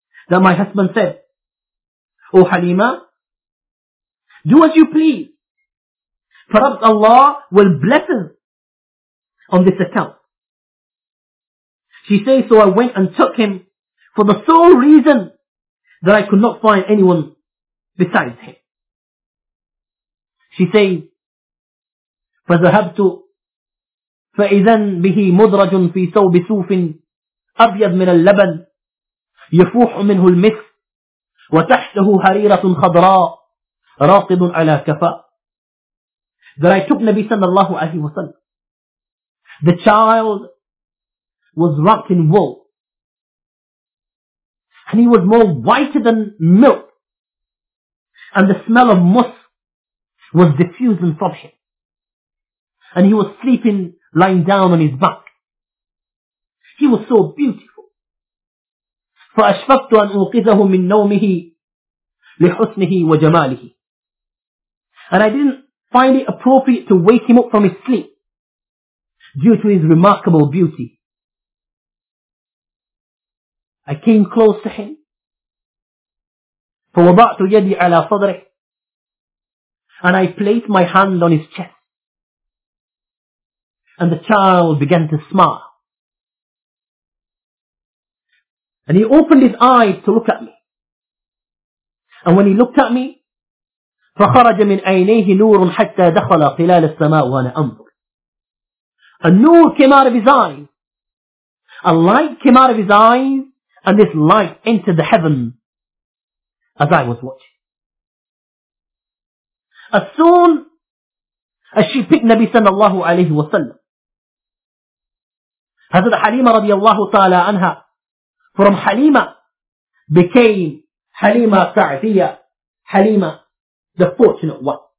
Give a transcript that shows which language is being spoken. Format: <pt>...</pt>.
<en>That my husband said, O Halima, do as you please. Perhaps Allah will bless us on this account. She says, so I went and took him for the sole reason that I could not find anyone besides him. She says,</en> <ar>فَذَهَبْتُ فَإِذَنْ بِهِ مُدْرَجٌ فِي سَوْبِ سُوفٍ أَبْيَضْ مِنَ اللَّبَنِ يفوح منه المسك وتحته هريرة خضراء راقد على كفاء.</ar> <en>that I took Nabi sallallahu alayhi wa sallam. The child was wrapped in wool. And he was more whiter than milk. And the smell of musk was diffusing from him. And he was sleeping, lying down on his back. He was so beautiful.</en> <ar>فَأَشْفَقْتُ أَنْ أُوْقِذَهُ مِنْ نَوْمِهِ لِحُسْنِهِ وَجَمَالِهِ.</ar> <en>And I didn't find it appropriate to wake him up from his sleep due to his remarkable beauty. I came close to him.</en> <ar>فَوَضَعْتُ يَدِي عَلَى صَدْرِهِ.</ar> <en>And I placed my hand on his chest. And the child began to smile. And he opened his eyes to look at me. And when he looked at me,</en> <ar>فَخَرَجَ مِنْ عَيْنَيْهِ نُورٌ حَتَّى دَخَلَ قِلَالَ السَّمَاءُ وَأَنَا أَنْظُرُ.</ar> <en>A noor came out of his eyes. A light came out of his eyes. And this light entered the heaven as I was watching. As soon as she picked Nabi sallallahu alayhi wa sallam, Hazrat Halima radiallahu ta'ala anha, from Halima became Halima Sa'diya, Halima, the fortunate one.</en>